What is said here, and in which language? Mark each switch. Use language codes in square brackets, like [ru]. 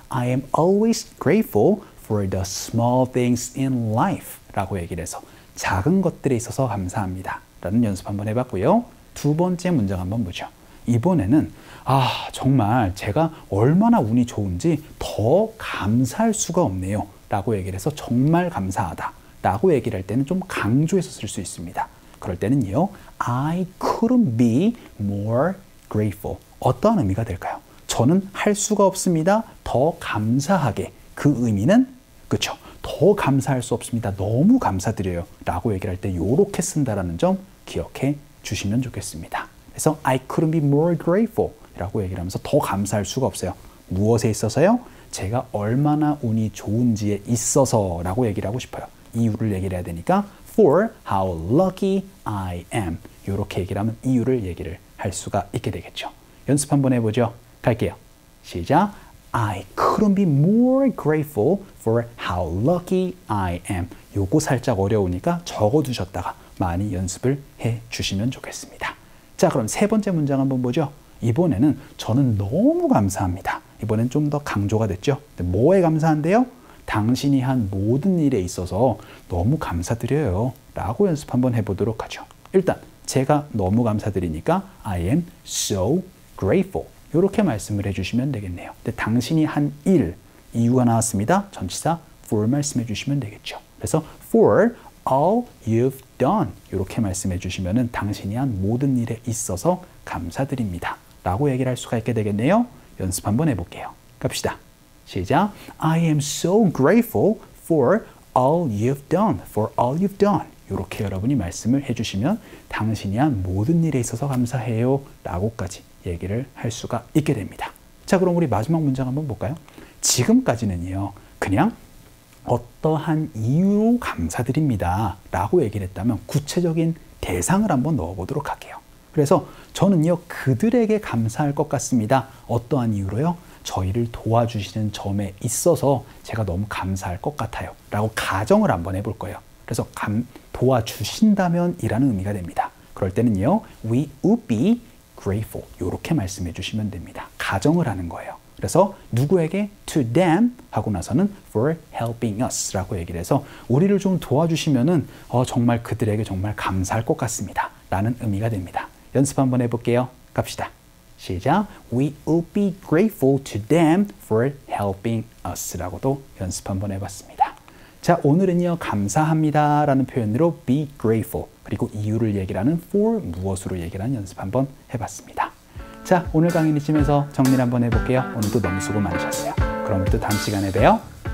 [en] I am always grateful for the small things in life [ko] 라고 얘기를 해서 작은 것들에 있어서 감사합니다 라는 연습 한번 해봤고요. 두 번째 문장 한번 보죠. 이번에는 아 정말 제가 얼마나 운이 좋은지 더 감사할 수가 없네요 라고 얘기를 해서 정말 감사하다 라고 얘기를 할 때는 좀 강조해서 쓸 수 있습니다. 그럴 때는요. [en] I couldn't be more grateful. [ko] 어떤 의미가 될까요? 저는 할 수가 없습니다. 더 감사하게. 그 의미는? 그렇죠. 더 감사할 수 없습니다. 너무 감사드려요. 라고 얘기를 할 때 이렇게 쓴다라는 점 기억해 주시면 좋겠습니다. 그래서 [en] I couldn't be more grateful [ko] 라고 얘기를 하면서 더 감사할 수가 없어요. 무엇에 있어서요? 제가 얼마나 운이 좋은지에 있어서 라고 얘기를 하고 싶어요. 이유를 얘기를 해야 되니까 [en] for how lucky I am [ko] 이렇게 얘기를 하면 이유를 얘기를 할 수가 있게 되겠죠. 연습 한번 해보죠. 갈게요. 시작. [en] I couldn't be more grateful for how lucky I am. [ko] 요거 살짝 어려우니까 적어두셨다가 많이 연습을 해주시면 좋겠습니다. 자, 그럼 세 번째 문장 한번 보죠. 이번에는 저는 너무 감사합니다. 이번엔 좀 더 강조가 됐죠. 뭐에 감사한데요? 당신이 한 모든 일에 있어서 너무 감사드려요. 라고 연습 한번 해보도록 하죠. 일단 제가 너무 감사드리니까 [en] I am so grateful. [ko] 이렇게 말씀을 해주시면 되겠네요. 근데 당신이 한 일, 이유가 나왔습니다. 전치사 for 말씀해 주시면 되겠죠. 그래서 [en] for all you've done [ko] 이렇게 말씀해 주시면은 당신이 한 모든 일에 있어서 감사드립니다. 라고 얘기를 할 수가 있게 되겠네요. 연습 한번 해볼게요. 갑시다. 시작. [en] I am so grateful for all you've done. For all you've done. [ko] 이렇게 여러분이 말씀을 해주시면 당신이 한 모든 일에 있어서 감사해요. 라고까지 얘기를 할 수가 있게 됩니다. 자, 그럼 우리 마지막 문장 한번 볼까요? 지금까지는요. 그냥 어떠한 이유로 감사드립니다. 라고 얘기를 했다면 구체적인 대상을 한번 넣어보도록 할게요. 그래서 저는요. 그들에게 감사할 것 같습니다. 어떠한 이유로요? 저희를 도와주시는 점에 있어서 제가 너무 감사할 것 같아요. 라고 가정을 한번 해볼 거예요. 그래서 도와주신다면 이라는 의미가 됩니다. 그럴 때는요. [en] We would be grateful [ko] 이렇게 말씀해 주시면 됩니다. 가정을 하는 거예요. 그래서 누구에게 to them 하고 나서는 [en] for helping us [ko] 라고 얘기를 해서 우리를 좀 도와주시면은 정말 그들에게 정말 감사할 것 같습니다 라는 의미가 됩니다. 연습 한번 해볼게요. 갑시다. 시작. [en] We would be grateful to them for helping us [ko] 라고도 연습 한번 해봤습니다. 자, 오늘은요 감사합니다 라는 표현으로 be grateful 그리고 이유를 얘기하는 for 무엇으로 얘기하는 연습 한번 해봤습니다. 자, 오늘 강의는 이쯤에서 정리를 한번 해볼게요. 오늘도 너무 수고 많으셨어요. 그럼 또 다음 시간에 봬요.